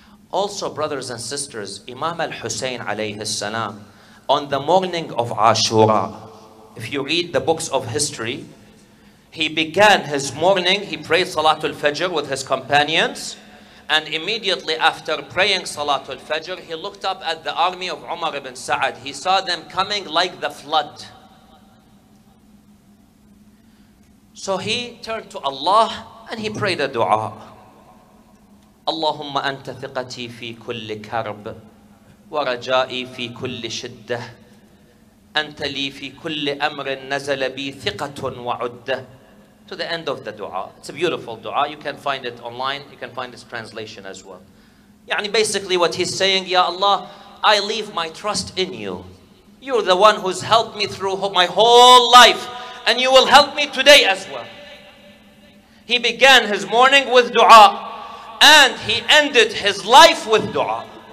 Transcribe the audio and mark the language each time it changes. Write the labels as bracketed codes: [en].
[en] Also, brothers and sisters, Imam al-Husayn alayhi salam, on the morning of Ashura, if you read the books of history, he began his morning, he prayed Salatul Fajr with his companions, and immediately after praying Salatul Fajr, he looked up at the army of Umar ibn Sa'ad. He saw them coming like the flood. So he turned to Allah and he prayed a dua. [ar] اللهم أنت ثقتي في كل كرب ورجائي في كل شدة أنت لي في كل أمر نزل بي ثقة وعدة. [en] To the end of the dua. It's a beautiful dua. You can find it online. You can find its translation as well. يعني basically what he's saying, Ya Allah, I leave my trust in you. You're the one who's helped me through my whole life. And you will help me today as well. He began his morning with dua. And he ended his life with dua.